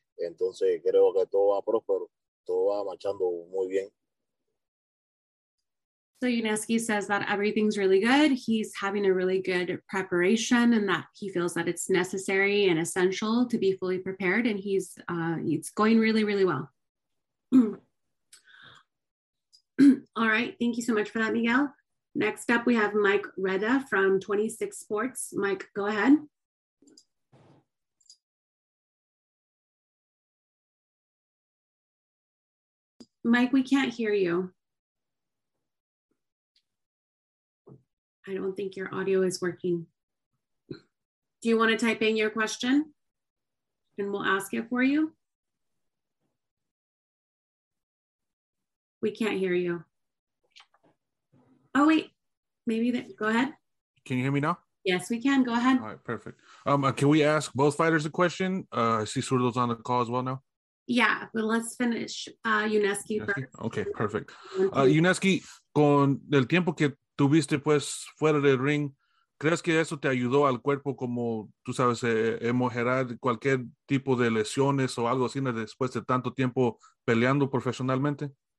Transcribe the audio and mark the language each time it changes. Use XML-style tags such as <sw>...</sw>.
<es>Entonces creo que todo va próspero, todo va marchando muy bien.</es> <en>So Yuneski says that everything's really good. He's having a really good preparation and that he feels that it's necessary and essential to be fully prepared. And it's going really, really well. All right. Thank you so much for that, Miguel. Next up, we have Mike Reda from 26 Sports. Mike, go ahead. Mike, we can't hear you. I don't think your audio is working. Do you want to type in your question and we'll ask it for you? We can't hear you. Oh, wait, go ahead. Can you hear me now? Yes, we can. Go ahead. All right, perfect. Can we ask both fighters a question? I see Surdo's on the call as well now. Yeah, but let's finish Yuneski first. Okay, perfect.</en> <es>Yuneski, con el tiempo que tuviste pues fuera del ring, ¿crees que eso te ayudó al cuerpo como, tú sabes, emojerar cualquier tipo de lesiones o algo así después de tanto tiempo peleando profesionalmente?</es>